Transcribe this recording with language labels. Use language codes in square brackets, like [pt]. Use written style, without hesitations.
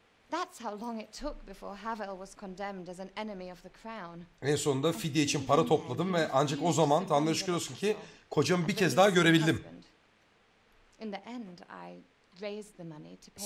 [en] That's how long it took before Havel was condemned as an enemy of the crown. [tr] En sonunda fidye için para topladım ve ancak o zaman Tanrı'ya şükür olsun ki kocamı bir kez daha görebildim. [en] In the end I raised the money to pay.